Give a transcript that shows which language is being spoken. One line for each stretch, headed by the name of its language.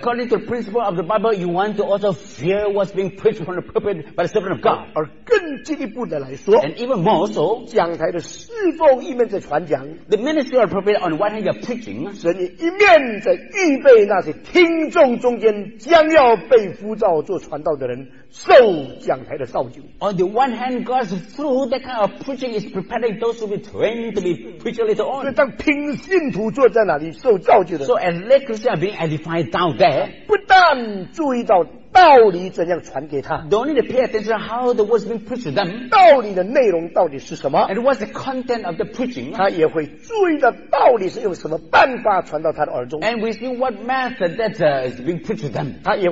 English: According to the principle of the Bible you want to also fear what's being preached from the pulpit by the servant of God
Chinese: 而更进一步的来说
English: And even more so
Chinese: 讲台的侍奉一面在传讲
English: The ministry of the pulpit on one hand you're preaching
Chinese: 神一面在预备那些听众中间将要被呼召做传道的人 受讲台的造就
English: On the one hand God's through that kind of preaching is preparing those who will be trained to be preacher later on
Chinese: 所以当听 信徒坐在哪里受造就的
English: So as the Christian being identified down there
Chinese: 不但注意到道理怎样传给他
English: Don't need to pay attention to how the words being preached to them
Chinese: 道理的内容到底是什么
English: And what's the content of the preaching
Chinese: 他也会注意到道理是用什么办法传到他的耳中
English: And we see what method that is being preached to them